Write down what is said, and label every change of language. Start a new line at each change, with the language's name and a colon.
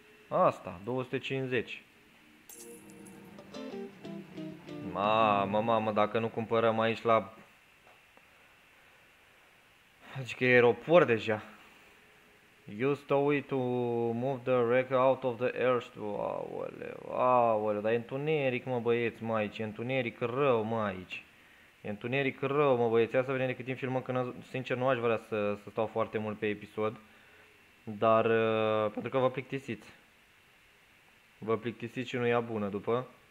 Romanian: Asta, 250. Mamă, dacă nu cumpărăm aici la... Zic că e aeroport deja.
English: Use the way to move the wreck out of the airstrip.
Romanian: Aoleu, aoleu, dar e întuneric, mă, băieți, mă, aici. E întuneric rău, mă, aici. E întuneric rău, mă, băieți. Ia să vedem de cât timp filmăm, că, sincer, nu aș vrea să stau foarte mult pe episod. Dar, pentru că vă plictisiți. Vă plictisiți și nu ia bună după.